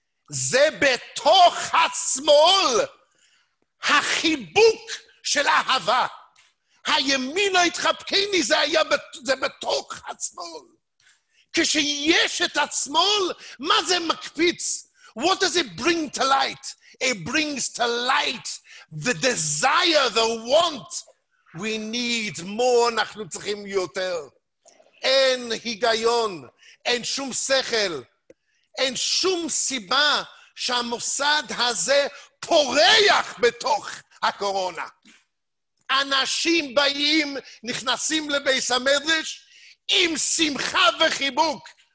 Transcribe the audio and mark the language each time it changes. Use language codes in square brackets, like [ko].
[he] זה בתוך השמאל, החיבוק של אהבה. הימין ההתחבקני זה בתוך השמאל. כשיש את השמאל, מה זה מקפיץ? [en] What does it bring to light? It brings to light the desire, the want. We need more, [he] אנחנו צריכים יותר. אין היגיון, אין שום שכל, אין שום סיבה שהמוסד הזה פורח בתוך הקורונה. אנשים באים, נכנסים לבית המדרש, עם שמחה וחיבוק.